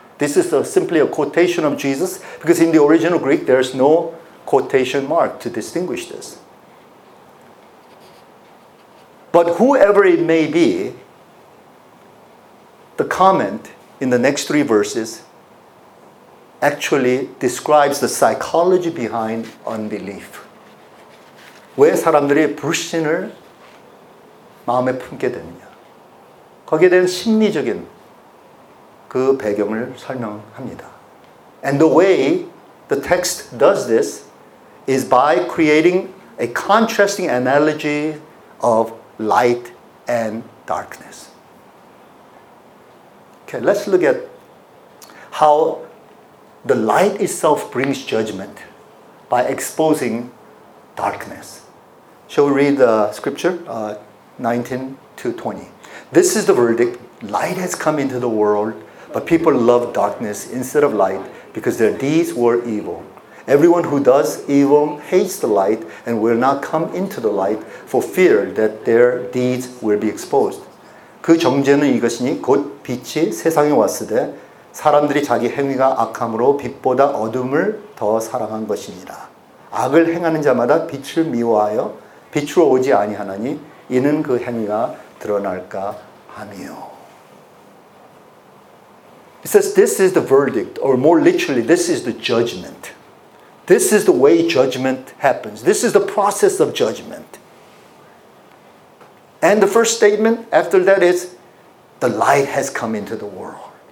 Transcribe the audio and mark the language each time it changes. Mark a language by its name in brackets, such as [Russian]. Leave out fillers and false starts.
[English] This is simply a quotation of Jesus, because in the original Greek, there's no quotation mark to distinguish this. But whoever it may be, the comment in the next three verses actually describes the psychology behind unbelief. [Korean] 왜 사람들이 불신을 마음에 품게 되느냐. 거기에 대한 심리적인 그 배경을 설명합니다. [English] And the way the text does this is by creating a contrasting analogy of light and darkness. Okay, let's look at how the light itself brings judgment by exposing darkness. Shall we read the scripture? 19-20. This is the verdict. Light has come into the world, but people love darkness instead of light because their deeds were evil. Everyone who does evil hates the light and will not come into the light for fear that their deeds will be exposed. [Korean] 그 정죄는 이것이니 곧 빛이 세상에 왔으되 사람들이 자기 행위가 악함으로 빛보다 어둠을 더 사랑한 것이니라. 악을 행하는 자마다 빛을 미워하여 빛으로 오지 아니하나니 이는 그 행위가 드러날까 함이요. [English] It says this is the verdict, or more literally, this is the judgment. This is the way judgment happens. This is the process of judgment. And the first statement after that is, the light has come into the world.